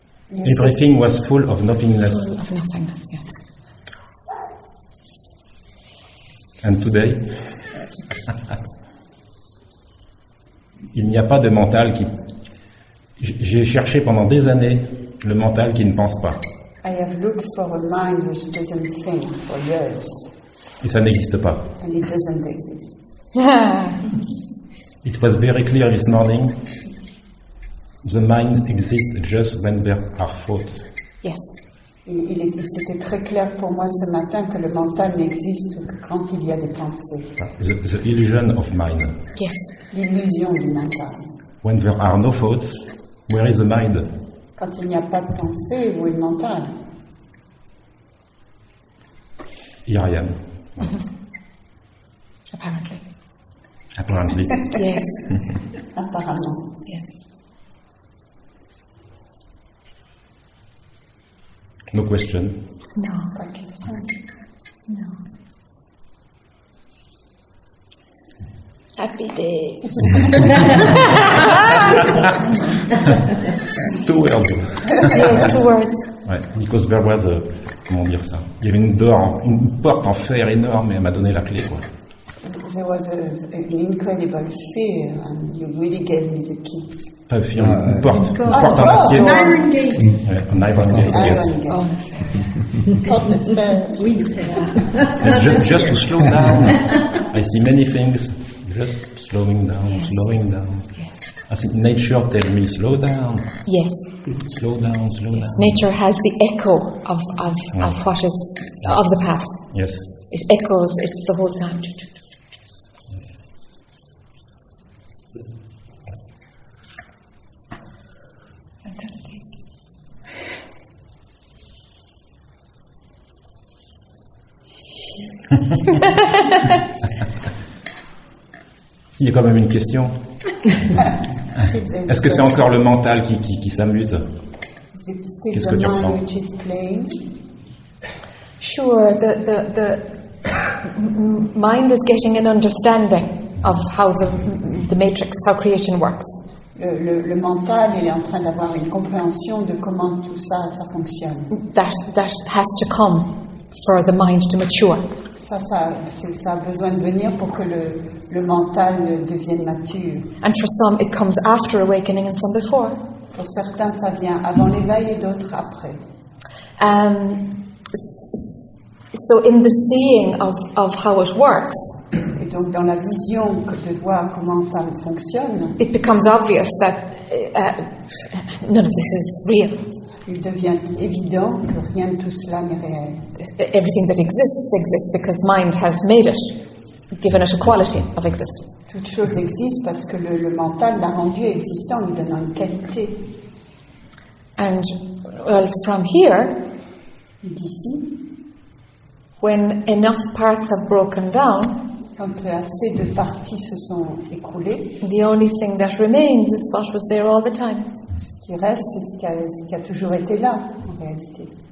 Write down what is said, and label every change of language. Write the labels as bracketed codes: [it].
[en] Everything was full of nothingness. Full of nothingness. Yes. And today. [fr] Il n'y a pas de mental qui. J'ai cherché pendant des années le mental qui ne pense pas. [en] I have looked for a mind which doesn't think for years. [fr] Et ça n'existe pas. [en] And it doesn't exist. It was very clear this morning. The mind exists just when there are thoughts. Yes. [fr] C'était très clair pour moi ce matin que le mental n'existe que quand il y a des pensées. [en] The illusion of mind. Yes. [fr] L'illusion du mental. [en] When there are no thoughts, where is the mind? [fr] Quand il n'y a pas de pensée, où est le mental? [en] Here I am. Apparently. Yes. [fr] Apparemment. [en] Yes. No question. No, [fr] pas question. [en] No. Happy days. Two words. Yes, two words. [fr] Ouais, [en] because there was a, [fr] comment dire ça? Il y avait une porte en fer énorme et elle m'a donné la clé, quoi. [en] There was an incredible fear and you really gave me the key. [fr] Pas fier, une porte. Une porte en acier. [en] Un iron gate. Un iron gate, yes. Iron gate. [fr] Porte de fer. Oui. [en] Just to slow down. I see many things. Just slowing down, yes. Slowing down. Yes. I see nature tell me slow down. Yes. Slow down, slow yes. down. Yes, nature has the echo of what is, of the path. Yes. It echoes it the whole time. [fr] S'il y a quand même une question. Est-ce que c'est encore le mental qui s'amuse? Qu'est-ce que tu ressens? [en] Sure, the mind is getting an understanding of how the matrix, how creation works. [fr] Le mental, il est en train d'avoir une compréhension de comment tout ça fonctionne. [en] That has to come for the mind to mature. [fr] Ça a besoin de venir pour que le mental devienne mature. [en] And for some, it comes after awakening and some before. [fr] Pour certains, ça vient avant l'éveil et d'autres après. [en] So in the seeing of how it works, [fr] et donc dans la vision de voir comment ça fonctionne, [en] it becomes obvious that none of this is real. [fr] Il devient évident que rien de tout cela n'est réel. [en] Everything that exists exists because mind has made it, given it a quality of existence. [fr] Toute chose existe parce que le mental l'a rendu existant, lui donnant une qualité. [en] And well, from here, [fr] et d'ici, [en] when enough parts have broken down, [fr] quand assez de parties se sont écroulées, [en] the only thing that remains is what was there all the time. [fr] Ce qui reste, c'est ce qui a toujours été là, en réalité.